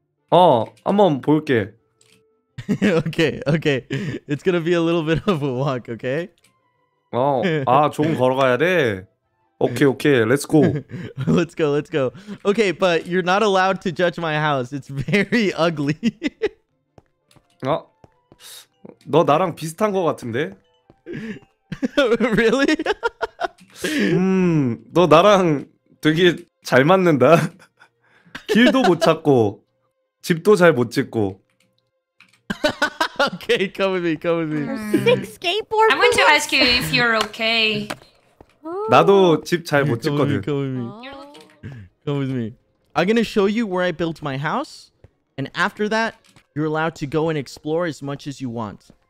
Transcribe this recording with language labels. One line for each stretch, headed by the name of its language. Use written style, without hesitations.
Korean: Oh, 한번 볼게.
English: Okay. It's gonna be a little bit of a walk, okay?
Korean: Oh, 좀 걸어가야 돼.
English: Okay. Let's go. Okay, but you're not allowed to judge my house. It's very ugly.
Korean: 너 나랑 비슷한 거 같은데?
English: Really?
Korean: 너 나랑 되게 잘 맞는다. 길도 못 찾고, 집도 잘 못 짓고.
English: Okay, come with me. Sick skateboard. I want to ask you if you're okay.
Korean: 나도 집 잘 못 짓거든.
English: Come with me. I'm gonna show you where I built my house, and after that, you're allowed to go and explore as much as you want.